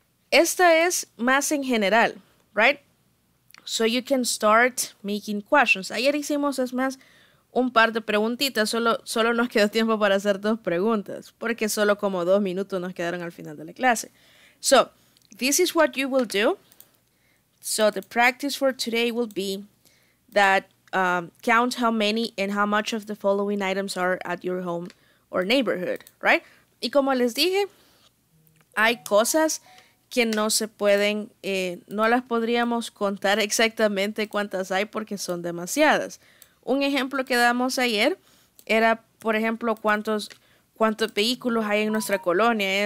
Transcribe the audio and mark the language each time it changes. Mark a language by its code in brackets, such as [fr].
[es] Esta es más en general, right? [en] So you can start making questions. [es] Ayer hicimos, es más, un par de preguntitas. Solo nos quedó tiempo para hacer dos preguntas, porque solo como dos minutos nos quedaron al final de la clase. [en] So, this is what you will do. So, the practice for today will be that count how many and how much of the following items are at your home or neighborhood, right? [es] Y como les dije, hay cosas que no se pueden, no las podríamos contar exactamente cuántas hay porque son demasiadas. Un ejemplo que damos ayer era, por ejemplo, cuántos vehículos hay en nuestra colonia.